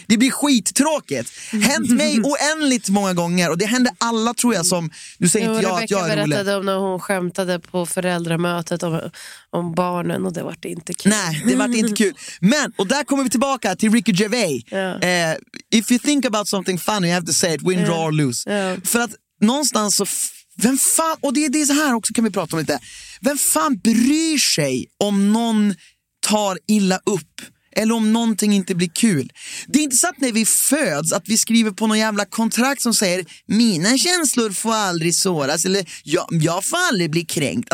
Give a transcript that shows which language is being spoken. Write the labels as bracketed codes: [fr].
[sv] Det blir skittråkigt. Hänt mig oändligt många gånger. Och det händer alla, tror jag, som... Du säger inte jag att jag är rolig. Rebecka berättade om när hon skämtade på föräldramötet om barnen, och det var inte kul. Nej, det var inte kul. Men, och där kommer vi tillbaka till Ricky Gervais. Ja. [en] If you think about something funny, you have to say it, win, draw, or lose. [sv] Ja. För att någonstans så... Vem fan, och det är så här också, kan vi prata om lite. Vem fan bryr sig om någon tar illa upp eller om någonting inte blir kul? Det är inte så att när vi föds att vi skriver på någon jävla kontrakt som säger mina känslor får aldrig såras, eller jag får aldrig bli kränkt.